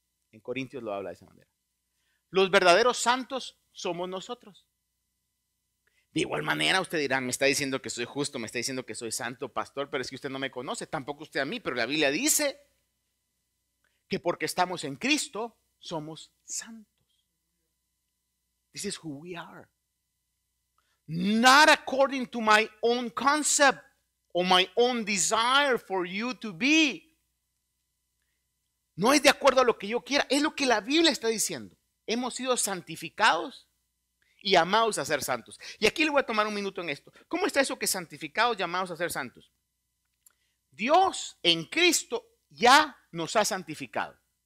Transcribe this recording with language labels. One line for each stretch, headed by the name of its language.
Spanish: En Corintios lo habla de esa manera. Los verdaderos santos somos nosotros. De igual manera usted dirá, me está diciendo que soy justo, me está diciendo que soy santo, pastor, pero es que usted no me conoce, tampoco usted a mí, pero la Biblia dice que porque estamos en Cristo, somos santos.
English: This is who we are. Not according to my own concept or my own desire for you to be.
Spanish: No es de acuerdo a lo que yo quiera, es lo que la Biblia está diciendo. Hemos sido santificados y llamados a ser santos. Y aquí le voy a tomar un minuto en esto. ¿Cómo está eso que santificados, llamados a ser santos? Dios en Cristo ya nos ha santificado.